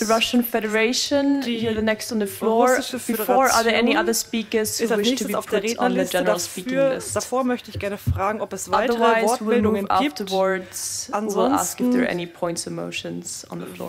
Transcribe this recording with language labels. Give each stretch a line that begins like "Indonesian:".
English: The Russian Federation, you're the next on the floor. Before, are there any other speakers who wish to be put on the general speaking list?
German: Davor möchte ich gerne fragen, ob es weitere Wortmeldungen gibt. Ansonsten
English: we'll ask if there are any points or motions on the floor.